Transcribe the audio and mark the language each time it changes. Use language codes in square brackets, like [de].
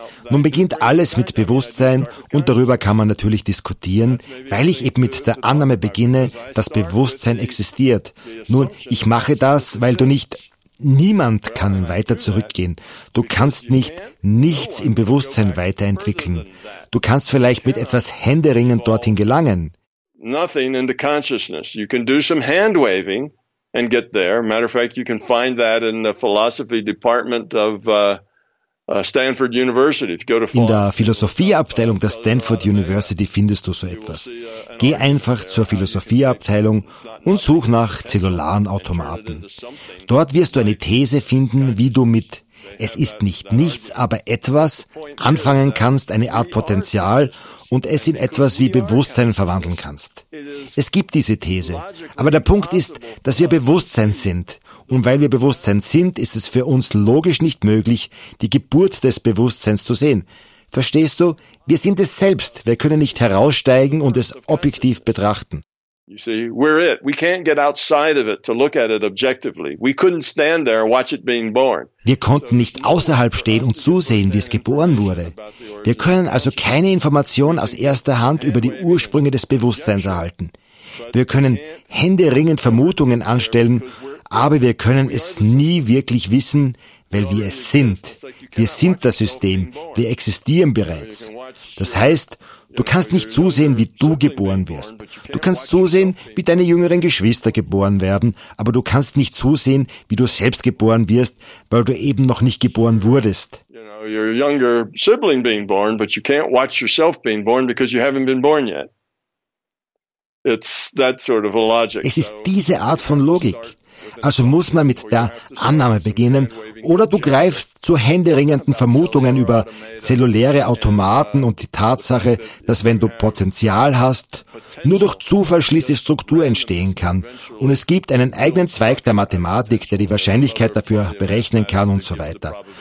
[de] Nun beginnt alles mit Bewusstsein und darüber kann man natürlich diskutieren, weil ich eben mit der Annahme beginne, dass Bewusstsein existiert. Nun, ich mache das, weil du nicht... Niemand kann weiter zurückgehen. Du kannst nicht nichts im Bewusstsein weiterentwickeln. Du kannst vielleicht mit etwas Händeringen dorthin gelangen. [en] Nothing in the consciousness. You can do some hand waving and get there. Matter of fact, you can find that in the philosophy department of Stanford University. [de] In der Philosophieabteilung der Stanford University findest du so etwas. Geh einfach zur Philosophieabteilung und such nach zellularen Automaten. Dort wirst du eine These finden, wie du mit es ist nicht nichts, aber etwas anfangen kannst, eine Art Potenzial und es in etwas wie Bewusstsein verwandeln kannst. Es gibt diese These, aber der Punkt ist, dass wir Bewusstsein sind. Und weil wir Bewusstsein sind, ist es für uns logisch nicht möglich, die Geburt des Bewusstseins zu sehen. Verstehst du? Wir sind es selbst. Wir können nicht heraussteigen und es objektiv betrachten. [en] You see, we're it. We can't get outside of it to look at it objectively. We couldn't stand there and watch it being born. [de] Wir konnten nicht außerhalb stehen und zusehen, wie es geboren wurde. Wir können also keine Information aus erster Hand über die Ursprünge des Bewusstseins erhalten. Wir können händeringend Vermutungen anstellen, aber wir können es nie wirklich wissen, weil wir es sind. Wir sind das System, wir existieren bereits. Das heißt, du kannst nicht zusehen, wie du geboren wirst. Du kannst zusehen, wie deine jüngeren Geschwister geboren werden, aber du kannst nicht zusehen, wie du selbst geboren wirst, weil du eben noch nicht geboren wurdest. [en] Your younger sibling being born, but you can't watch yourself being born because you haven't been born yet. It's that sort of a logic. [de] Es ist diese Art von Logik. Also muss man mit der Annahme beginnen, oder du greifst zu händeringenden Vermutungen über zelluläre Automaten und die Tatsache, dass wenn du Potenzial hast, nur durch Zufall schließlich Struktur entstehen kann und es gibt einen eigenen Zweig der Mathematik, der die Wahrscheinlichkeit dafür berechnen kann und so weiter.